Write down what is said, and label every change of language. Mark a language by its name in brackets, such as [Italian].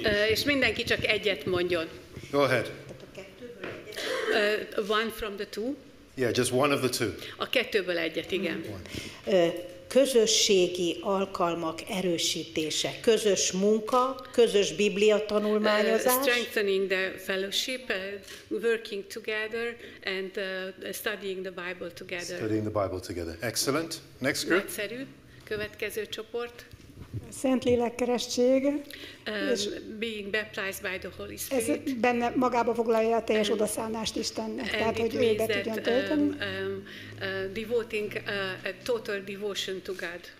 [Hungarian] És mindenki csak egyet mondjon. [English] Go ahead. One from the two. Yeah, just one of the two. [Hungarian] A kettőből egyet, igen. Közösségi alkalmak erősítése, közös munka, közös Biblia tanulmányozás. [English] Strengthening the fellowship, working together and studying the Bible together. Studying the Bible together. Excellent. Next group. [Hungarian] Nagyszerű. Következő csoport. Szent lélekkeresztség. [English] Being baptized by the Holy Spirit. [Hungarian] Ez benne magába foglalja a teljes odaszállást Istennek, tehát hogy ő be tudjon tölteni. [English] Devoting a total devotion to God.